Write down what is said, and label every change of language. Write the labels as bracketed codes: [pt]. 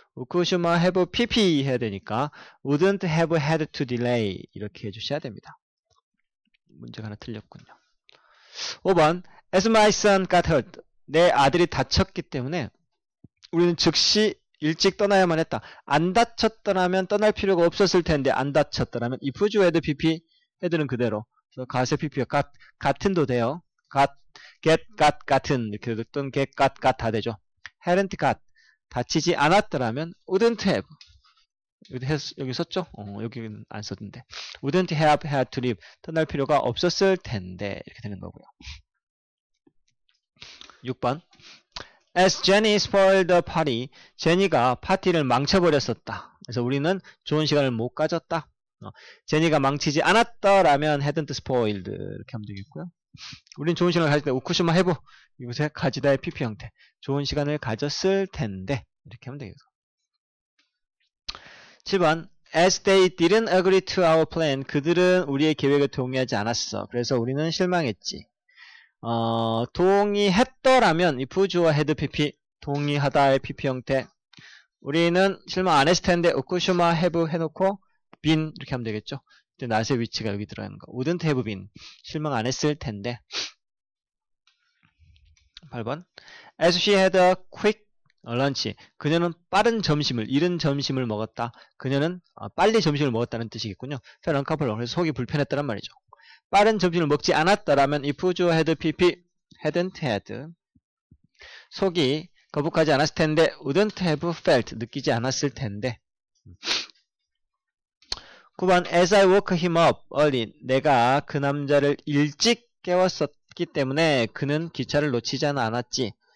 [en] Could you have PP [ko] 해야 되니까 [en] wouldn't have had to delay [ko] 이렇게 해주셔야 됩니다. 문제가 하나 틀렸군요. 5번 [en] As my son got hurt [ko] 내 아들이 다쳤기 때문에 우리는 즉시 일찍 떠나야만 했다. 안 다쳤더라면 떠날 필요가 없었을 텐데 안 다쳤더라면 if you had PP had는 그대로 그래서 got의 PP가 got은도 돼요. get, got은 이렇게 해도 get, got 다 되죠. [en] hadn't got [ko] 다치지 않았더라면 wouldn't have 여기 썼죠? 여기는 안 썼는데 [en] wouldn't have had to leave [ko] 떠날 필요가 없었을 텐데 이렇게 되는 거고요. 6번 [en] As Jenny spoiled the party [ko] 제니가 파티를 망쳐버렸었다. 그래서 우리는 좋은 시간을 못 가졌다. 제니가 망치지 않았더라면 [en] hadn't spoiled [ko] 이렇게 하면 되겠고요. 우린 좋은 시간을 가졌다. 우쿠시마 해보 이곳에 가지다의 PP 형태 좋은 시간을 가졌을 텐데 이렇게 하면 되겠어. 7번. [en] As they didn't agree to our plan. [ko] 그들은 우리의 계획에 동의하지 않았어. 그래서 우리는 실망했지. 동의했더라면, if you had PP, 동의하다의 PP 형태. 우리는 실망 안 했을 텐데, 우쿠슈마 have 해놓고, been. 이렇게 하면 되겠죠. 이제 not의 위치가 여기 들어가는 거. [en] wouldn't have been. [ko] 실망 안 했을 텐데. 8번. [en] As she had a quick lunch. [ko] 그녀는 빠른 점심을, 이른 점심을 먹었다. 그녀는 빨리 점심을 먹었다는 뜻이겠군요. 그래서 속이 불편했다란 말이죠. 빠른 점심을 먹지 않았다라면 if you had PP, hadn't had. 속이 거북하지 않았을 텐데, [en] wouldn't have felt. [ko] 느끼지 않았을 텐데. 9번. [en] As I woke him up early. [ko] 내가 그 남자를 일찍 깨웠었기 때문에 그는 기차를 놓치지는 않았지.